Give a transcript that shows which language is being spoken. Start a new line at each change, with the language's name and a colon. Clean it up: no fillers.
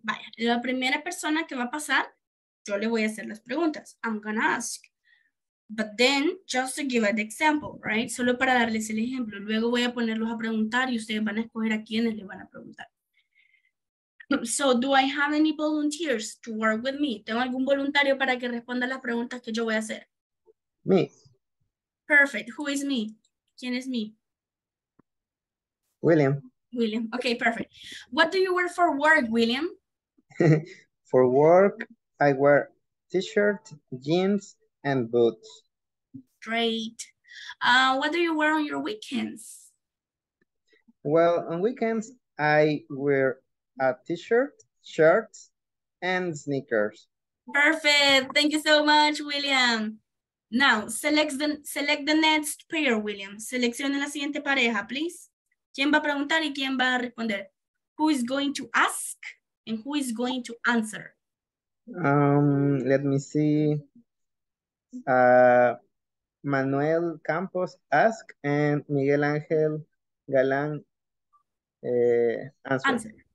Spanish: Vaya, la primera persona que va a pasar, yo le voy a hacer las preguntas.
English: I'm gonna ask. But then, just to give an example, right?
Spanish: Solo para darles el ejemplo. Luego voy a ponerlos a preguntar y ustedes van a escoger a quiénes le van a preguntar.
English: So, do I have any volunteers to work with me?
Spanish: ¿Tengo algún voluntario para que responda las preguntas que yo voy a hacer?
English: Me. Perfect. Who is me?
Spanish: ¿Quién es me?
English: William. William. Okay, perfect. What do you wear for work, William? For work, I wear t-shirt, jeans, and boots. Great. What do you wear on your weekends? Well, on weekends, I wear a t-shirt, shirts, and sneakers. Perfect. Thank you so much, William. Now, select the next pair, William.
Spanish: Seleccione la siguiente pareja, please. ¿Quién va a preguntar y quién va a responder?
English: Who is going to ask and who is going to answer? Let me see. Manuel Campos ask and Miguel Angel Galán answer.